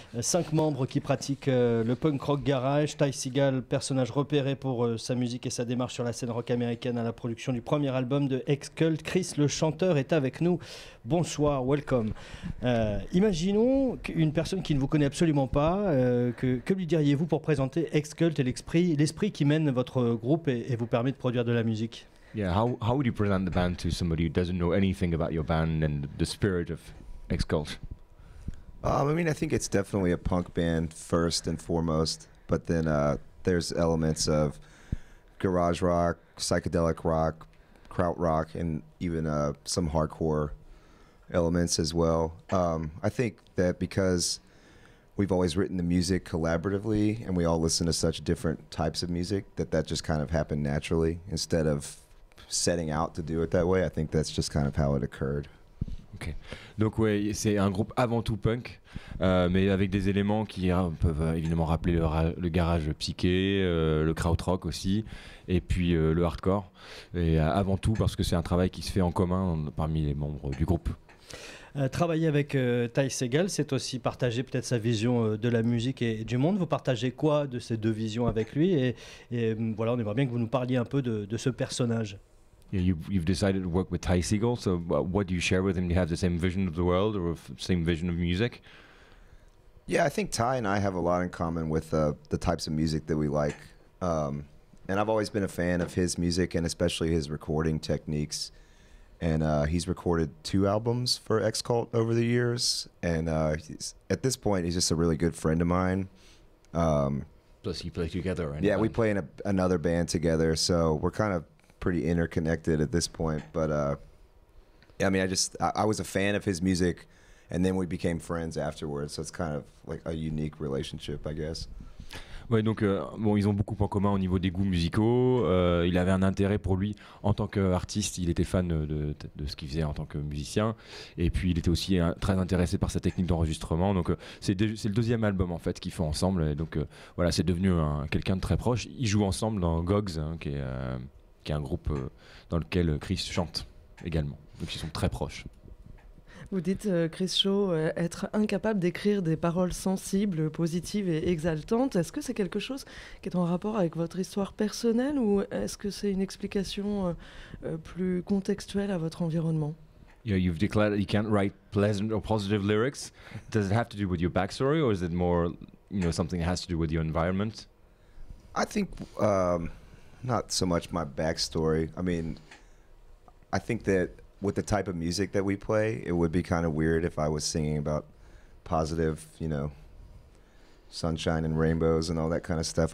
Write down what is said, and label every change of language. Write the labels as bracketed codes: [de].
[fr] Cinq membres qui pratiquent le punk rock garage. Ty Segall, personnage repéré pour sa musique et sa démarche sur la scène rock américaine à la production du premier album de ex-cult. Chris, le chanteur, est avec nous. Bonsoir, [en] welcome. [fr] Imaginons une personne qui ne vous connaît absolument pas. Que lui diriez-vous pour présenter ex-cult et l'esprit qui mène votre groupe et vous permet de produire de la musique? [en] Yeah, how would you present the band to somebody who doesn't know anything about your band and the spirit of ex-cult? I mean, I think it's definitely a punk band first and foremost, but then there's elements of garage rock, psychedelic rock, kraut rock, and even some hardcore elements as well. I think that because we've always written the music collaboratively and we all listen to such different types of music, that just kind of happened naturally instead of setting out to do it that way. I think that's just kind of how it occurred. Okay. [fr] Donc ouais, c'est un groupe avant tout punk, mais avec des éléments qui peuvent évidemment rappeler le garage psyché, le kraut rock aussi, et puis le hardcore. Et avant tout parce que c'est un travail qui se fait en commun parmi les membres du groupe. Travailler avec Ty Segall, c'est aussi partager peut-être sa vision de la musique et du monde. Vous partagez quoi de ces deux visions avec lui? Et voilà, on aimerait bien que vous nous parliez un peu de ce personnage. [en] Yeah, you've decided to work with Ty Segall, so what do you share with him? Do you have the same vision of the world or same vision of music? Yeah, I think Ty and I have a lot in common with the types of music that we like. And I've always been a fan of his music and especially his recording techniques. And he's recorded two albums for ex-cult over the years. And at this point, he's just a really good friend of mine. Plus you play together. Yeah, we play in another band together. So we're kind of pretty interconnected at this point. But I was a fan of his music and then we became friends afterwards. So it's kind of like a unique relationship, I guess. [fr] Ouais, donc bon, ils ont beaucoup en commun au niveau des goûts musicaux. Il avait un intérêt pour lui en tant qu'artiste. Il était fan de ce qu'il faisait en tant que musicien. Et puis il était aussi très intéressé par sa technique d'enregistrement. Donc c'est le deuxième album en fait qu'ils font ensemble. Et donc voilà, c'est devenu quelqu'un de très proche. Ils jouent ensemble dans Gogs, hein, qui est un groupe dans lequel Chris chante également. Donc ils sont très proches. Vous dites, Chris Shaw, être incapable d'écrire des paroles sensibles, positives et exaltantes. Est-ce que c'est quelque chose qui est en rapport avec votre histoire personnelle ou est-ce que c'est une explication plus contextuelle à votre environnement? [en] Yeah, you've declared that you can't write pleasant or positive lyrics. Does it have to do with your backstory or is it more, you know, something that has to do with your environment? I think not so much my backstory. I mean, I think that with the type of music that we play, it would be kind of weird if I was singing about positive, you know, sunshine and rainbows and all that kind of stuff.